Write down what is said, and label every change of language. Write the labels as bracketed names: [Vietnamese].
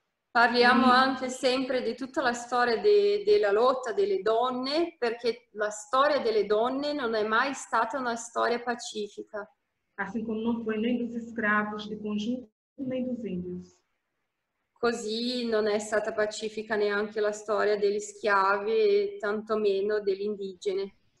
[Italian] Parliamo anche sempre di tutta la storia della lotta delle donne, perché la storia delle donne non è mai stata una storia pacifica. [Portuguese] Assim como não foi nem dos escravos de conjunto, nem dos índios. [Italian] Così non è stata pacifica neanche la storia degli schiavi, tantomeno dell'indigene.